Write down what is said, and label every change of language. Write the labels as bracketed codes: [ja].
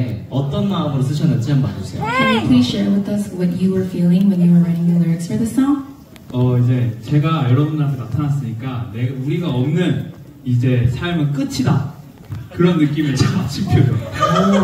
[ko] 어떤 마음으로 쓰셨는지 한번 봐주세요. [en] Can you please share with us what you were feeling when you were writing the lyrics for the song? [ko] 이제 제가 여러분들한테 나타났으니까 내가 우리가 없는 이제 삶은 끝이다 그런 느낌을 참 아쉽혀요.